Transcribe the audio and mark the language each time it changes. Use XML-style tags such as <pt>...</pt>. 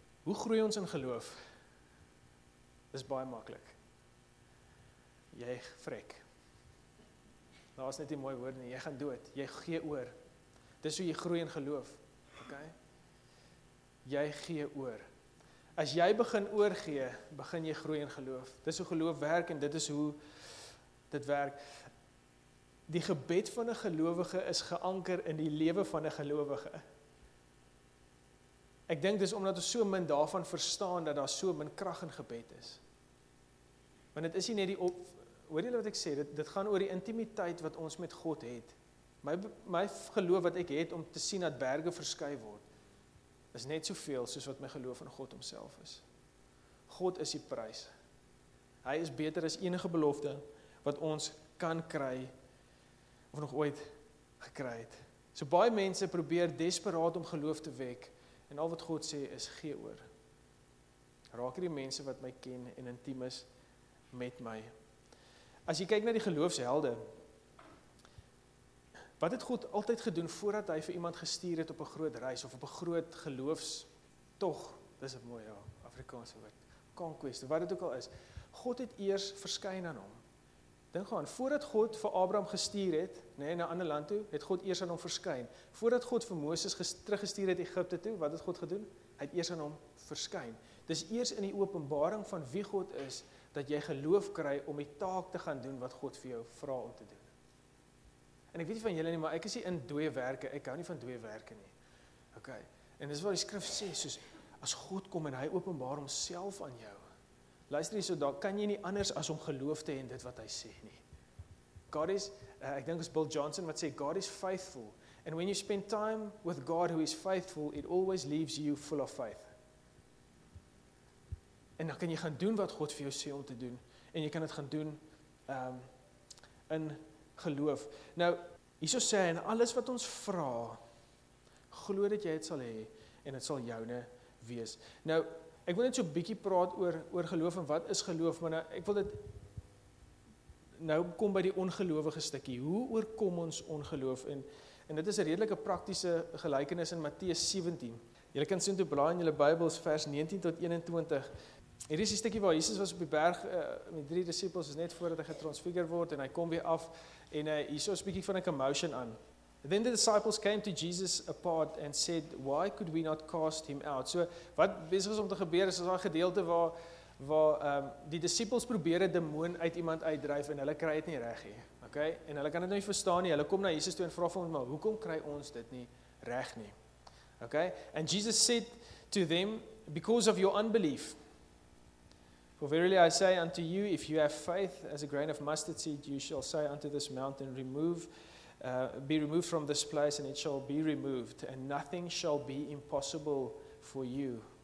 <af>Hoe groei ons in geloof? Dis baie maklik. Jy frek. Daar is net nie mooi woord nie. Jy gaan dood. Jy gee oor. Dis hoe jy groei in geloof. Okay? Jy gee oor. As jy begin oorgee, begin jy groei in geloof. Dis hoe geloof werk en dit is hoe dit werk. Die gebed van 'n gelowige is geanker in die lewe van 'n gelowige. Ek dink dis omdat ons so min daarvan verstaan dat daar so min krag in gebed is. Want dit is nie net die op, hoor julle wat ek sê, dit gaan oor die intimiteit wat ons met God het. My geloof wat ek het om te sien dat berge verskuif word, is net soveel soos wat my geloof in God homself is. God is die prys. Hy is beter as enige belofte wat ons kan kry of nog ooit gekry het. So baie mense probeer desperaat om geloof te wek en al wat God sê is gee oor. Raak hierdie mense wat my ken en intiem is met my. As jy kyk na die geloofshelde, wat het God altyd gedoen voordat hy vir iemand gestuur het op 'n groot reis of op 'n groot geloofstog? Dis 'n mooi Afrikaanse woord. Conquest, wat dit ook al is. God het eers verskyn aan hom. Dink aan, voordat God vir Abraham gestuur het, nee, na 'n ander land toe, het God eers aan hom verskyn. Voordat God vir Moses teruggestuur het Egipte toe, wat het God gedoen? Hy het eers aan hom verskyn. Dis eers in die openbaring van wie God is, dat jy geloof kry om die taak te gaan doen wat God vir jou vra om te doen. En ek weet nie van julle nie, maar ek is nie in dooie werke, ek hou nie van dooie werke nie. Okay. En dis wat die skrif sê, soos, as God kom en hy openbaar homself aan jou, luister nie so, daar kan jy nie anders as om geloof te hê in dit wat hy sê nie. God is, ek dink is Bill Johnson wat sê,</af> <en>God is faithful. And when you spend time with God who is faithful, it always leaves you full of faith.</en> <af>En dan kan jy gaan doen wat God vir jou sê om te doen. En jy kan het gaan doen in geloof. Nou, hierso sê, en alles wat ons vra, glo dat jy het sal hê en het sal joune wees. Nou, ek wil net so 'n bietjie praat oor geloof en wat is geloof, maar nou, ek wil dit nou kom by die ongelowige stukkie. Hoe oorkom ons ongeloof? En dit is 'n redelike praktiese gelykenis in Matteus 17. Julle kan sien toe blaai in julle Bybels vers 19 tot 21. Hier is die stukkie waar Jesus was op die berg met drie disippels, is net voordat hy getransfigureer word en hy kom weer af en hier is 'n bietjie van 'n commotion aan.</af> <en>Then the disciples came to Jesus apart and said, why could we not cast him out?</en> <af>So, wat besig is om te gebeur, is as daai gedeelte waar die disciples probeer 'n demoon uit iemand uitdryf en hulle kry dit nie reg nie. Okay? En hulle kan dit nie verstaan nie. Hulle kom na Jesus toe en vra vir hom, maar hoekom kry ons dit nie reg nie? Okay?</af> <en>And Jesus said to them, because of your unbelief. For verily I say unto you, if you have faith as a grain of mustard seed, you shall say unto this mountain, be removed from this place, and it shall be removed, and nothing shall be impossible for you.</en>